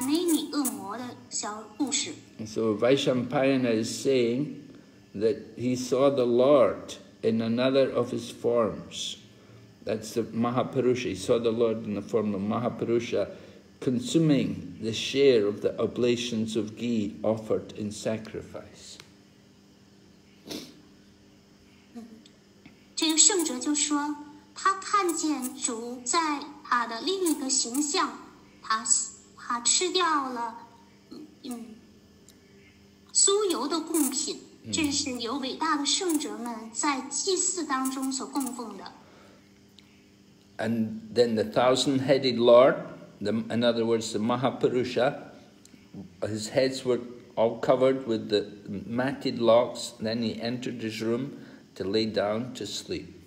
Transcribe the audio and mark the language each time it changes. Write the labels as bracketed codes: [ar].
[en] So Vaishampayana is saying that he saw the Lord in another of his forms. That's the Mahapurusha. He saw the Lord in the form of Mahapurusha consuming the share of the oblations of ghee offered in sacrifice. [zh] 这个圣者就说，他看见主在他的另一个形象，他吃掉了酥油的贡品，这是由伟大的圣者们在祭祀当中所供奉的。 [en] And then the thousand-headed Lord, in other words, the Mahapurusha, his heads were all covered with the matted locks, then he entered his room to lay down to sleep.